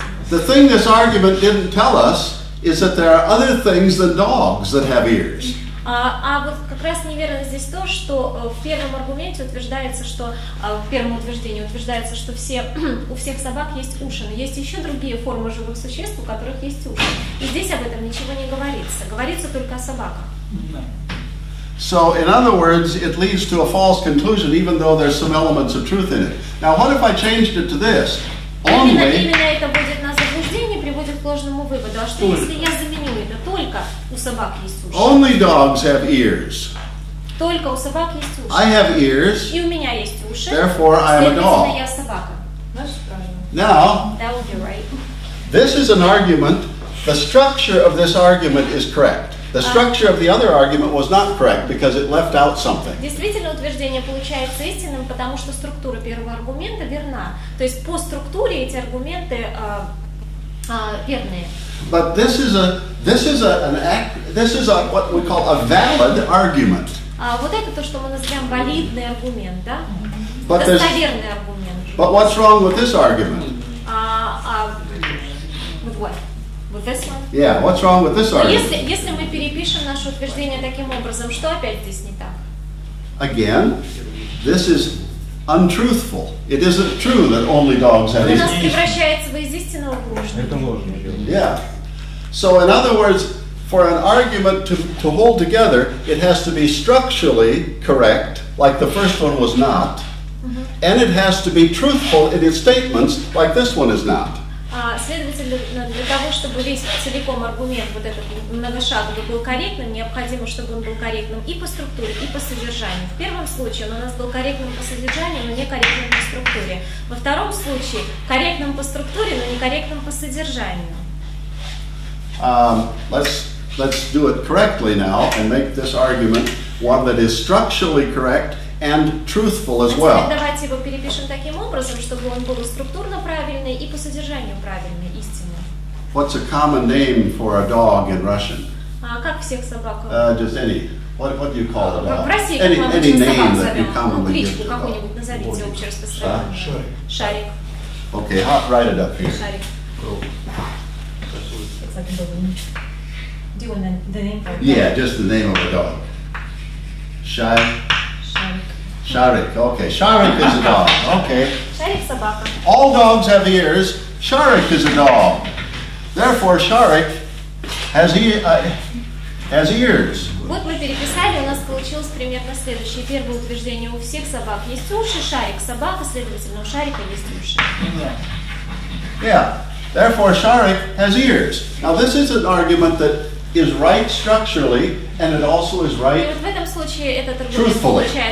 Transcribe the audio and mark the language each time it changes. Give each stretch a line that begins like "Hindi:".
English: the thing this argument didn't tell us is that there are other things than dogs that have ears.
Russian: А вот как раз неверно здесь то, что в первом аргументе утверждается, что в первом утверждении утверждается, что все, у всех собак есть уши, но есть еще другие формы живых существ, у которых есть уши. И здесь об этом ничего не говорится. Говорится только о собаках.
English: So, in other words, it leads to a false conclusion, even though there's some elements of truth in it. Now, what if I changed it to this?
Russian: Именно это будет на заблуждение, приводит к ложному выводу. А что если я заменю это? Только у собак есть уши.
English: Only dogs have ears.
Russian: Только у собак есть уши.
English: I have ears.
Russian: И у меня есть уши.
English: Therefore, I am a dog.
Russian: Я собака.
English: Now, that would be right. This is an argument. The structure of this argument is correct. The structure of the other argument was not correct because it left out something.
Russian: Действительно, утверждение получается истинным, потому что структура первого аргумента верна. То есть по структуре эти аргументы верные.
English: But this is what we call a valid argument.
Russian: Вот это то, что мы называем валидный аргумент, да? Достоверный аргумент.
English: But what's wrong with this argument? With what? Yeah, what's wrong with this argument?
Russian: Если мы перепишем наше утверждение таким образом, что опять здесь не так?
English: Again, this is untruthful. It isn't true that only dogs have ears.
Russian: У нас превращается в истинную ложь. Это ложь.
English: Yeah. So in other words, for an argument to hold together, it has to be structurally correct, like the first one was not, and it has to be truthful in its statements, like this one is not.
Russian: Следовательно, для того, чтобы весь целиком аргумент, вот этот многошаговый, был корректным, необходимо, чтобы он был корректным и по структуре, и по содержанию. В первом случае он у нас был корректным по содержанию, но некорректным по структуре. Во втором случае корректным по структуре, но некорректным по содержанию.
English: Let's do it correctly now and make this argument one that is structurally correct and truthful as well.
Russian: Давайте его перепишем таким образом, чтобы он был структурно правильный и по содержанию правильный, истинный.
English: What's a common name for a dog in Russian?
Russian: Как всех собак?
English: Just any. What do you call it?
Russian: В России как мы обычно собак зовем? Кличку какую-нибудь назовите, общераспространенную. Шарик.
English: Okay, I'll write it up here.
Russian: Шарик.
English: Do you want the name of the dog? Yeah, just the name of the dog. Shai? Sharik. Sharik, okay. Sharik is a dog. Okay.
Russian: Sharik собака.
English: All dogs have ears. Sharik is a dog. Therefore, Sharik has ears.
Russian: Вот мы переписали, у нас получилось примерно следующее. Первое утверждение: у всех собак есть уши. Шарик собака, следовательно, у Шарика есть уши.
English: Yeah. Therefore, Sharik has ears. Now, this is an argument that is right structurally, and it also is right truthfully.